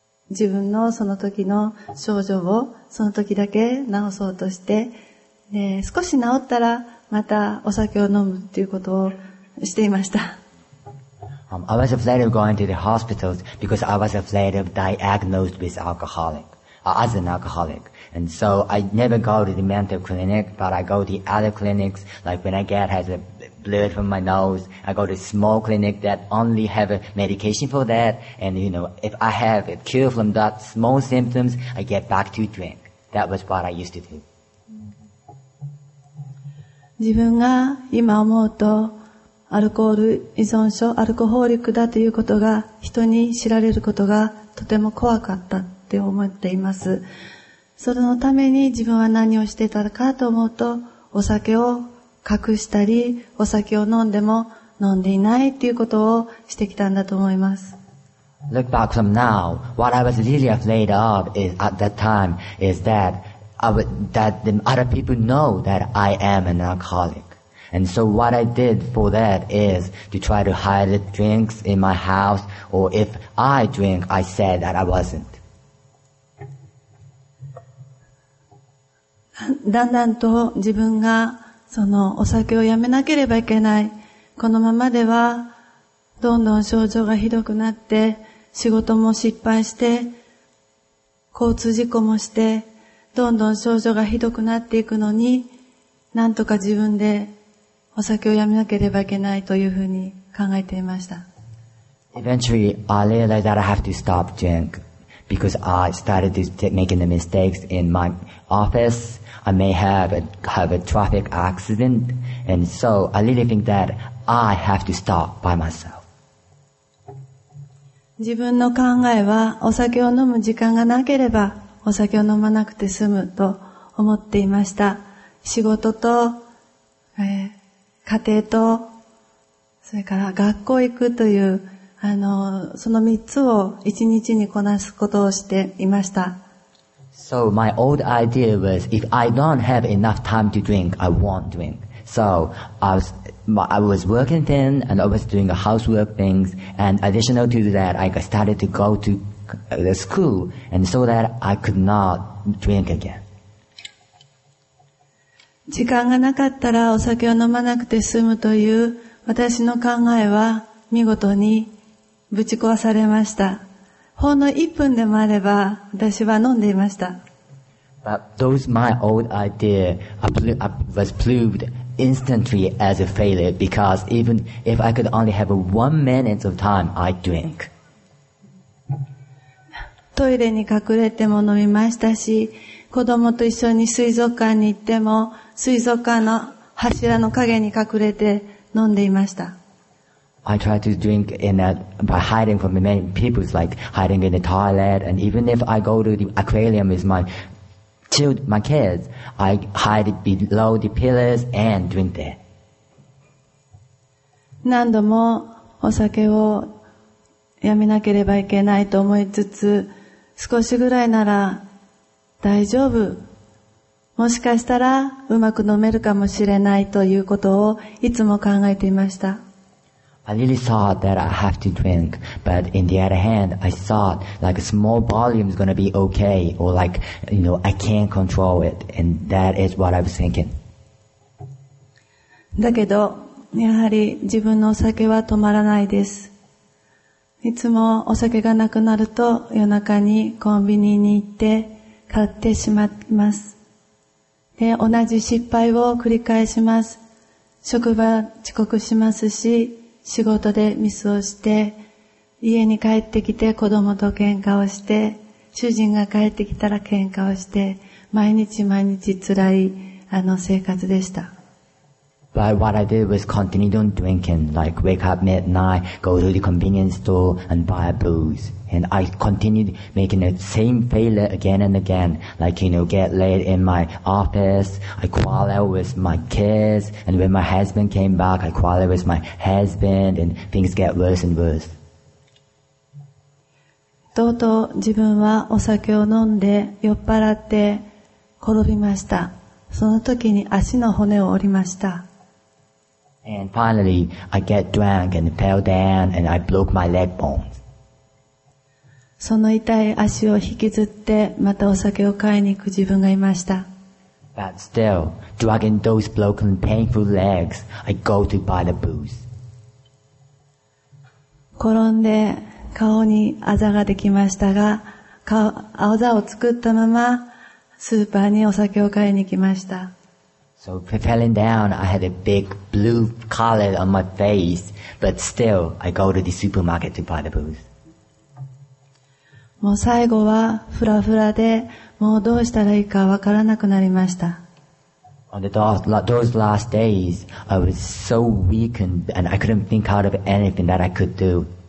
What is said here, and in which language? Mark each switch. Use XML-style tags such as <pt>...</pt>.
<ja>自分のその時の症状をその時だけ治そうとしてで少し治ったらまたお酒を飲むっていうことをしていました。</ja> <en>I was afraid of going to the hospitals because I was afraid of diagnosed with as an alcoholic. And so I never go to the mental clinic, but I go to other clinics, like when I get has a blood from my nose, I go to a small clinic that only have a medication for that. And you know, if I have a cure from that small symptoms, I get back to drink. That was what I used to do.</en> <ja>自分が今思うとアルコール依存症、アルコホーリックだということが人に知られることがとても怖かったって思っています。そのために自分は何をしてたかと思うと、お酒を隠したり、お酒を飲んでも飲んでいないっていうことをしてきたんだと思います。</ja> <en>Look back from now, what I was really afraid of is at that time is that the other people know that I am an alcoholic. And so what I did for that is to try to hide the drinks in my house, or if I drink, I said that I wasn't.</en> <ja>だんだんと自分がそのお酒をやめなければいけない。このままではどんどん症状がひどくなって、仕事も失敗して、交通事故もして、どんどん症状がひどくなっていくのに、なんとか自分でお酒をやめなければいけないというふうに考えていました。</ja> <en>Eventually, I realized that I have to stop drink because I started to making the mistakes in my office. I may have a traffic accident. And so, I really think that I have to stop by myself.</en> <ja>自分の考えはお酒を飲む時間がなければお酒を飲まなくて済むと思っていました。仕事と、家庭とそれから学校行くというその三つを一日にこなすことをしていました。</ja> <en>So my old idea was if I don't have enough time to drink, I won't drink. So I was working then and I was doing housework things and additional to that I started to go to the school and so that I could not drink again.</en> <ja>時間がなかったらお酒を飲まなくて済むという私の考えは見事にぶち壊されました。ほんの1分でもあれば私は飲んでいました。</ja> <en>But those my old idea was proved instantly as a failure because even if I could only have 1 minute of time I drink.</en> <ja>トイレに隠れても飲みましたし、子供と一緒に水族館に行っても水族館の柱の陰に隠れて飲んでいました。</ja> <en>I tried to drink by hiding from many people, like hiding in the toilet, and even if I go to the aquarium with my kids, I hide below the pillars and drink there.</en> <ja>何度もお酒をやめなければいけないと思いつつ、少しぐらいなら大丈夫。もしかしたらうまく飲めるかもしれないということをいつも考えていました。</ja> <en>I really thought that I have to drink, but in the other hand, I thought like a small volume is gonna be okay, or like, you know, I can't control it, and that is what I was thinking.</en> <ja>だけど、やはり自分のお酒は止まらないです。いつもお酒がなくなると夜中にコンビニに行って買ってしまいます。で、同じ失敗を繰り返します。職場遅刻しますし、仕事でミスをして、家に帰ってきて子供と喧嘩をして、主人が帰ってきたら喧嘩をして、毎日毎日辛い生活でした。</ja> <en>But what I did was continued on drinking, like wake up midnight, go to the convenience store and buy a booze. And I continued making the same failure again and again, like, you know, get late in my office, I quarrel with my kids, and when my husband came back, I quarrel with my husband, and things get worse and worse.</en> <ja>とうとう自分はお酒を飲んで酔っ払って転びました。その時に足の骨を折りました。</ja> <en>And finally, I get drunk and fell down and I broke my leg bones.</en> <ja>その痛い足を引きずってまたお酒を買いに行く自分がいました。</ja> <en>But still, dragging those broken painful legs, I go to buy the booze.</en> <ja>転んで顔にあざができましたが、あざを作ったままスーパーにお酒を買いに来ました。</ja> <en>So falling down, I had a big blue color on my face, but still, I go to the supermarket to buy the booze.</en> <ja>もう最後はフラフラで、もうどうしたらいいかわからなくなりました。</ja> <en>On those last days, I was so weakened and I couldn't think out of anything that I could do.</en>